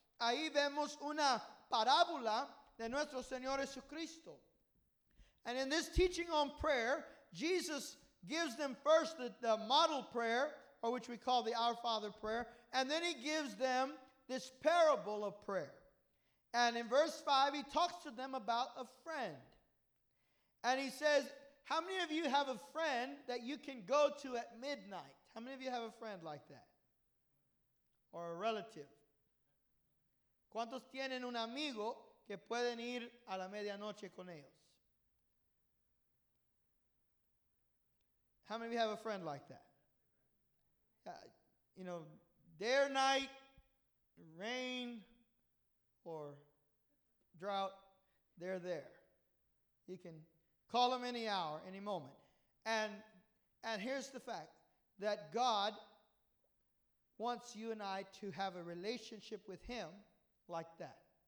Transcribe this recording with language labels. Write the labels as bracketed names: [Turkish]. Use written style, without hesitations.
[Spanish] Ahí vemos una parábola de nuestro Señor Jesucristo. [English] And in this teaching on prayer, Jesus gives them first the model prayer, or which we call the Our Father prayer, and then he gives them this parable of prayer. And in verse 5, he talks to them about a friend. And he says, how many of you have a friend that you can go to at midnight? How many of you have a friend like that? Or a relative? [Spanish] ¿Cuántos tienen un amigo que pueden ir a la medianoche con ellos? [English] How many of you have a friend like that? You know, day or night, rain or drought, they're there. You can call him any hour, any moment. And here's the fact, that God wants you and I to have a relationship with him like that.